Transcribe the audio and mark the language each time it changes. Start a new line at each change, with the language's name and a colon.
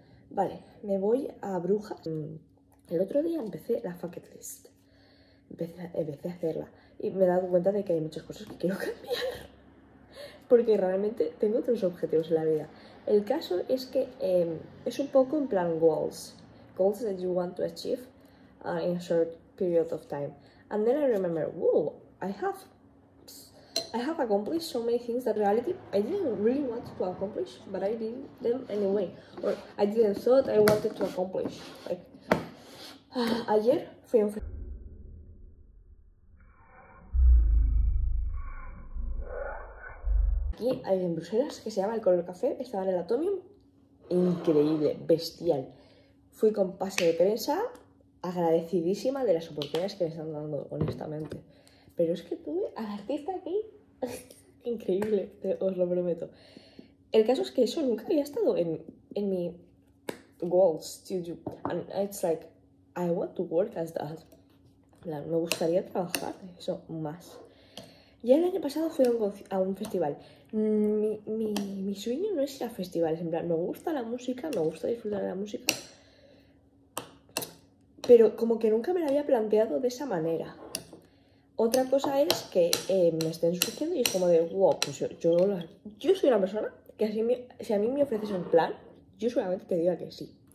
Spanish: Vale, me voy a Brujas. El otro día empecé la bucket list. Empecé a hacerla. Y me he dado cuenta de que hay muchas cosas que quiero cambiar. Porque realmente tengo otros objetivos en la vida. El caso es que es un poco en plan goals.
English: Goals that you want to achieve in a short period of time. And then I remember, wow, I have accomplished so many things that reality I didn't really want to accomplish, but I did them anyway. Or I didn't thought I wanted to accomplish.
Spanish: Like, ayer fui a un aquí en Bruselas que se llama El Color Café, estaba en el Atomium. Increíble, bestial. Fui con pase de prensa, agradecidísima de las oportunidades que me están dando, honestamente. Pero es que tuve al artista aquí. Increíble, os lo prometo. El caso es que eso nunca había estado en mi
English: goals to do. And it's like, I want to work as that.
Spanish: Me gustaría trabajar eso más. Ya el año pasado fui a un festival. Mi sueño no es ir a festivales. En plan, me gusta la música, me gusta disfrutar de la música. Pero como que nunca me lo había planteado de esa manera. Otra cosa es que me estén surgiendo y es como de, wow, pues yo soy una persona que si a mí me ofreces un plan, yo solamente te diga que sí.